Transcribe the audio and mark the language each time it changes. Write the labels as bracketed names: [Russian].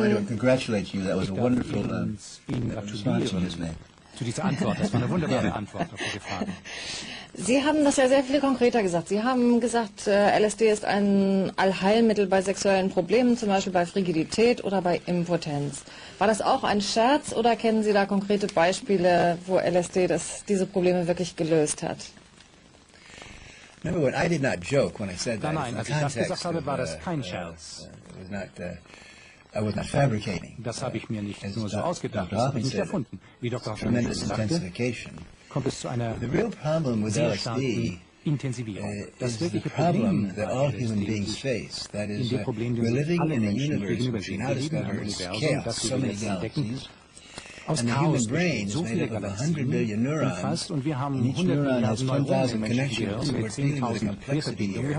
[English] I want to congratulate you, that was a wonderful response to his name. [German] Zu dieser Antwort, das war eine wunderbare Antwort auf die Frage. Sie haben das ja sehr viel konkreter gesagt. Sie haben gesagt, LSD ist ein Allheilmittel bei sexuellen Problemen, zum Beispiel bei Frigidität oder bei Impotenz. War das auch ein Scherz oder kennen Sie da konkrete Beispiele, wo LSD diese Probleme wirklich gelöst hat? [English] Number one, I did not joke when I said that. [German] Nein, als ich das gesagt habe, war das kein Scherz. [English] I was not fabricating. [German] Das habe ich mir nicht nur so ausgedacht, das habe ich nicht erfunden. Wie Dr. Hoffmann sagte, kommt es zu einer sehr starken Intensivierung. Das wirkliche Problem bei LSD ist, in dem Problem, dem alle Menschen gegenüberstehen, wir leben in einem Universum, das wir jetzt entdecken, aus Chaos bestehen so viele Galaxien umfasst und wir haben 100 Milliarden Neuronen im Menschengehirn mit 10.000 Querverbindungen.